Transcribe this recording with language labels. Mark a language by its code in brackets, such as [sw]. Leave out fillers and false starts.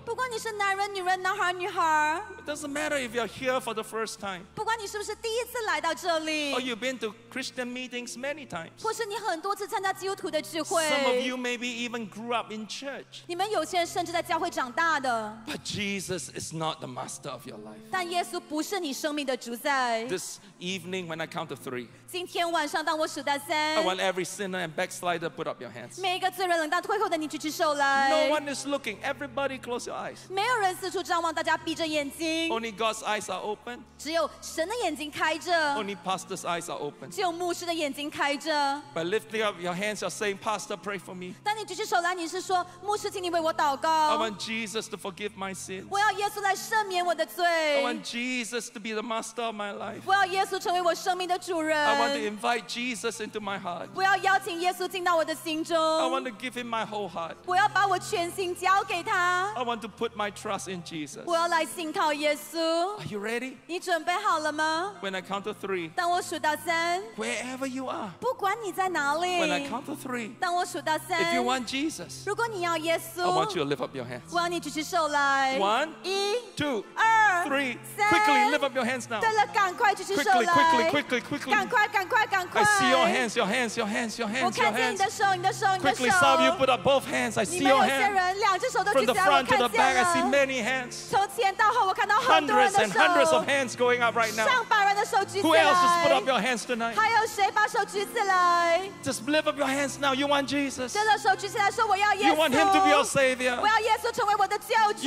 [zh] 不管你是男人、女人、男孩、女孩, [en] it doesn't matter if you're here for the first time, [zh] 不管你是不是第一次来到这里, [en] or you've been to Christian meetings many times, [zh] 或是你很多次参加基督徒的聚会, [en] some of you maybe even grew up in church, [zh] 你们有些人甚至在教会长大的, [en] but Jesus is not the master of your life. [zh] 但耶稣不是你生命的主宰。 [en] This evening when I count to three, [zh] 今天晚上当我数到三, [en] I want every sinner and backslider put up your hands. [zh] 每一个罪人冷淡退后的你举起手来。 [en] No one is looking, everybody close your eyes. [zh] 没有人四处张望，大家闭着眼睛。 [en] Only God's eyes are open. [zh] 只有神的眼睛开着。 [en] Only pastor's eyes are open. [zh] 只有牧师的眼睛开着。 [en] By lifting up your hands, you're saying, Pastor, pray for me. [zh] 当你举起手来，你是说，牧师，请你为我祷告。 [en] I want Jesus to forgive my sins. [zh] 我要耶稣来赦免我的罪。 [en] I want Jesus to be the master of my life. [zh] 我要耶稣成为我生命的主人。 [en] I want to invite Jesus into my heart. [zh] 我要邀请耶稣进到我的心中。 [en] I want to give him my whole heart. [zh] 我要把我全心交给他。 [en] I want to put my trust in Jesus. [zh] 我要来信靠耶稣。 [en] Are you ready? [zh] 你准备好了吗? [en] When I count to three, [zh] 当我数到三, [en] wherever you are, [zh] 不管你在哪里, [en] when I count to three, [zh] 当我数到三, [en] if you want Jesus, [zh] 如果你要耶稣, [en] I want you to lift up your hands. [zh] 我要你举起手来。 [en] One, [zh] 一, [en] two, [zh] 二, [en] three, [zh] 三, [en] quickly lift up your hands now. [zh] 对了，赶快举起手来。 [en] Quickly. [zh] 赶快。 [en] I see your hands. [zh] 我看见你的手。 [en] Quickly, some of you put up both hands. I see your hands. [zh] 你们有些人两只手都举起来。 [en] From the front to the back, I see many hands. [zh] 从前到后，我看到很多人的手。 [en] Hundreds and hundreds of hands going up right now. [zh] 上百人的手举起来。 [en] Who else has put up your hands tonight? [zh] 还有谁把手举起来？ [en] Just lift up your hands now. You want Jesus. [zh] 真的手举起来说我要耶稣。 [en] You want him to be your savior. [zh] 我要耶稣成为我的救主。